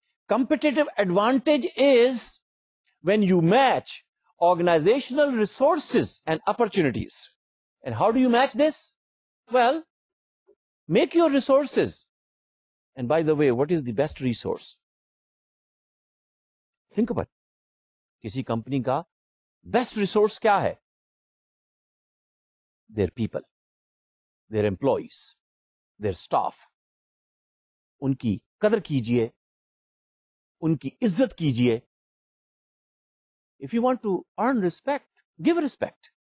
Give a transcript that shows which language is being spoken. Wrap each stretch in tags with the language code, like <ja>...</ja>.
<en>Competitive advantage is when you match organizational resources and opportunities. And how do you match this? Well, make your resources. And by the way, what is the best resource?</en> <hi>Think about it. किसी company का best resource क्या है?</hi> <en>their people, their employees, their staff.</en> <hi>Unki qadr kijiye, unki izzat kijiye.</hi> <en>If you want to earn respect, give respect.</en>